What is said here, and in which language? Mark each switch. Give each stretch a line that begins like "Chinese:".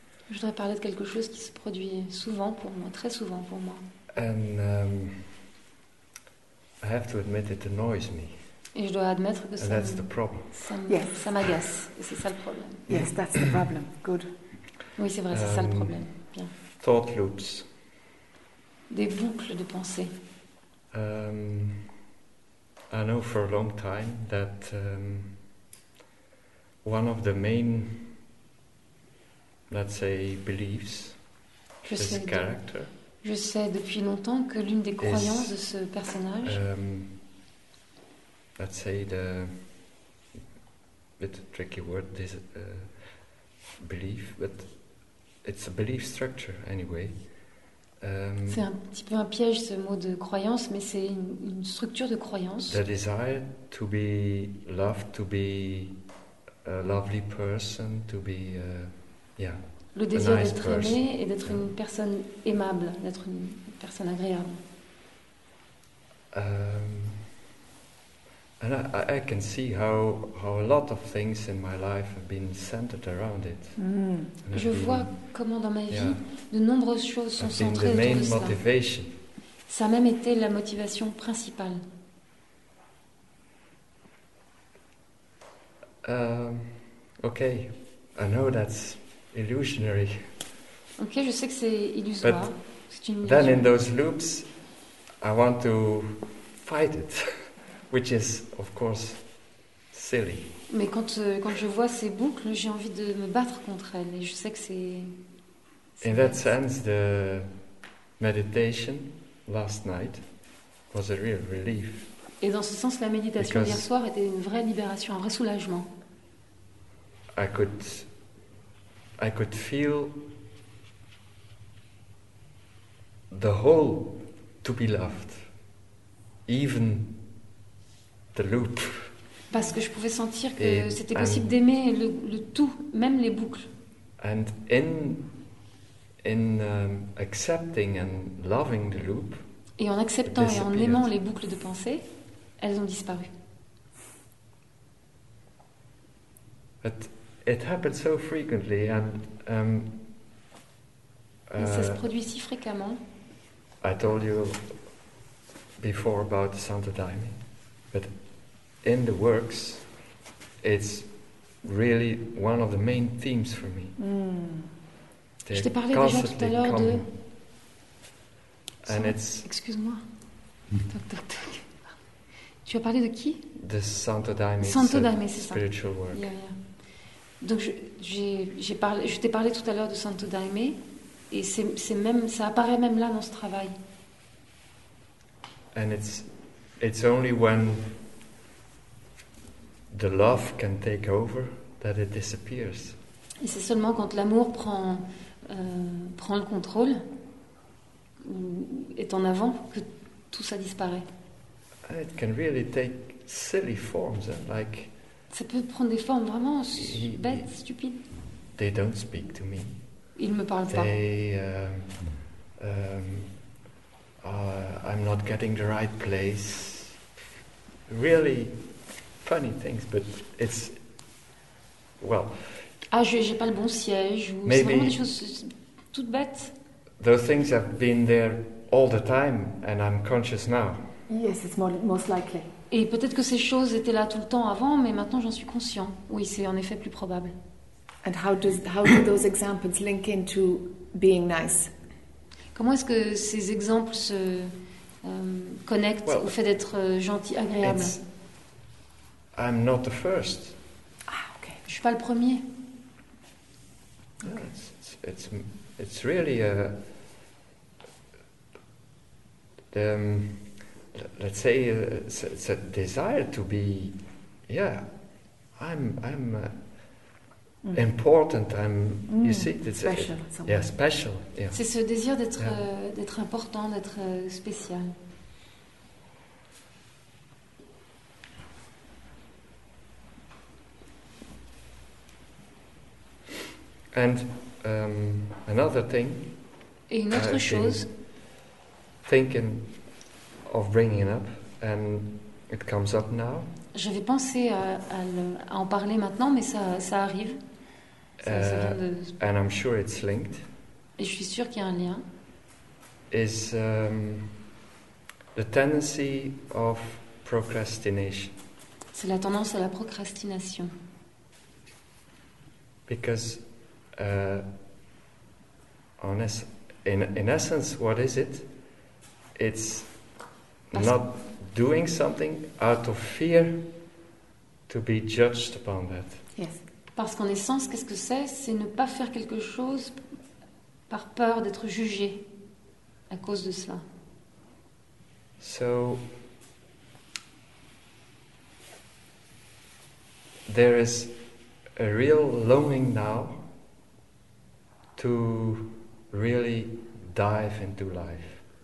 French: Je voudrais parler de quelque chose qui se produit souvent pour moi, très souvent pour moi.
English: And I have to admit it annoys me.
French: Et je dois admettre que
English: and that's the problem.
French: Ça m'agace. Et c'est ça le problème.
English: Yes, that's the problem. Good.
French: Oui, c'est vrai, c'est ça le problème. Bien.
English: Thought loops.
French: Des boucles de pensée.
English: I know for a long time that one of the main, let's say, beliefs, this character.
French: Je sais depuis longtemps que l'une des croyances de ce personnage.
English: Let's say the bit tricky word, this belief, but it's a belief structure anyway.
French: C'est un petit peu un piège ce mot de croyance, mais c'est une structure de croyance.
English: The desire to be loved, to be a lovely person, to be yeah.
French: Le désir d'être aimé et d'être une personne aimable, d'être une personne agréable.
English: And I can see how a lot of things in my life have been centered around it.
French: Je vois comment dans ma vie de nombreuses choses sont centrées autour de ça.
English: Been the main motivation.
French: Ça a même été la motivation principale.
English: Okay, I know that's illusionary.
French: Okay, je sais que c'est illusoire.
English: But
French: c'est une illusion.
English: Then in those loops, I want to fight it. Which is, of course, silly.
French: Mais quand je vois ces boucles, j'ai envie de me battre contre elles, et je sais que c'est.
English: In that sense, the meditation last night was a real relief.
French: Et dans ce sens, la méditation hier soir était une vraie libération, un vrai soulagement.
English: I could feel the whole to be loved, even. The loop.
French: Parce que je pouvais sentir que c'était possible d'aimer le tout, même les boucles.
English: And in accepting and loving the loop.
French: Et en acceptant et en aimant les boucles de pensée, elles ont disparu.
English: But it happens so frequently and
French: ça se produit si fréquemment.
English: I told you before about Santa Daimi, but in the works, it's really one of the main themes for me.
French: Mm. Je t'ai parlé déjà tout à l'heure de.
English: And it's.
French: Excuse-moi. Toc, toc, toc. Tu as parlé de qui?
English: The Santo Daime.
French: Santo Daime, c'est
English: spiritual
French: ça.
English: Work. Yeah, yeah.
French: Donc je t'ai parlé tout à l'heure de Santo Daime, et c'est même ça apparaît même là dans ce travail.
English: And it's only when the love can take over that it disappears.
French: Et c'est seulement quand l'amour prend le contrôle, est en avant, que tout ça disparaît.
English: It can really take silly forms and like.
French: Ça peut prendre des formes vraiment bêtes, stupides.
English: They don't speak to me.
French: Ils me parlent
English: they,
French: pas.
English: I'm not getting the right place. Really funny things, but it's well.
French: Ah, j'ai pas le bon siège. Ou c'est vraiment des choses toutes bêtes.
English: Those things have been there all the time, and I'm conscious now. Yes, it's most likely.
French: Et peut-être que ces choses étaient là tout le temps avant, mais maintenant j'en suis conscient. Oui, c'est en effet plus probable.
English: And how do those examples link into being nice?
French: Comment est-ce que ces exemples se connectent au fait d'être gentil, agréable?
English: I'm not the first.
French: Ah, ok. Je ne suis pas le premier.
English: Okay. It's really a. Let's say it's a desire to be. Yeah, I'm important. I'm. You see, it's special. Special. Yeah.
French: C'est ce désir d'être d'être important, d'être spécial.
English: And another thing.
French: Et une autre chose.
English: Thinking of bringing it up, and it comes up now.
French: J'avais pensé à en parler maintenant, mais ça arrive.
English: And I'm sure it's linked.
French: Et je suis sûr qu'il y a un lien.
English: Is the tendency of procrastination.
French: C'est la tendance à la procrastination.
English: Because in essence, what is it? It's not doing something out of fear to be judged upon that. Yes.
French: Parce qu'en essence, qu'est-ce que c'est? C'est ne pas faire quelque chose par peur d'être jugé à cause de cela.
English: So there is a real longing now to really dive into life.